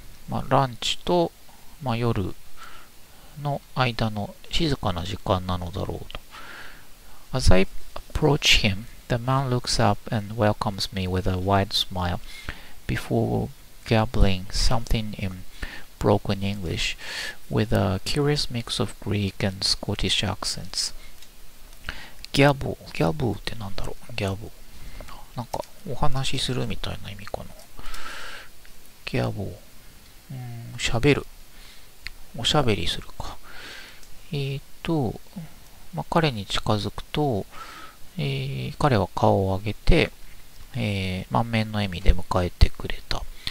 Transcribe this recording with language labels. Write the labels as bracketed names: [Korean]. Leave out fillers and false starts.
[Japanese] まあ、ランチと、まあ、夜の間の静かな時間なのだろうと。 [English] As I approach him, the man looks up and welcomes me with a wide smile before gabbling something in broken English with a curious mix of Greek and Scottish accents. [Japanese] Gabble ってなんだろう?Gabble。なんかお話しするみたいな意味かな。Gabble、 しゃべる、おしゃべりするか。まあ、彼に近づくと、彼は顔を上げて、満面の笑みで迎えてくれた。